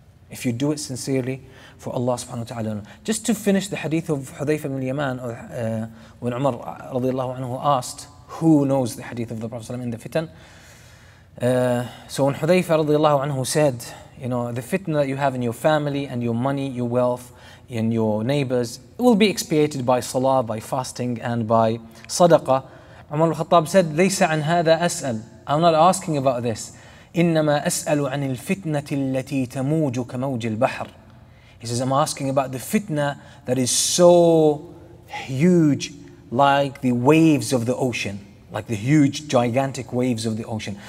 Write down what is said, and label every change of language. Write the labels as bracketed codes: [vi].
[en] If you do it sincerely for Allah subhanahu wa ta'ala. Just to finish the hadith of Hudhaifa ibn Yaman, when Umar radiallahu anhu asked, who knows the hadith of the Prophet in the fitan? So when Hudhaifa radiallahu anhu said, you know, the fitna that you have in your family and your money, your wealth, and your neighbors, it will be expiated by salah, by fasting, and by sadaqah. Umar al-Khattab said, [ar] لَيْسَ عَنْ هَذَا أَسْأَلُ. [en] I'm not asking about this. [ar] إِنَّمَا أَسْأَلُ عَنِ الْفِتْنَةِ الَّتِي تَمُوجُ كَمَوْجِ الْبَحْرِ. [en] He says, I'm asking about the fitna that is so huge, like the waves of the ocean, like the huge, gigantic waves of the ocean.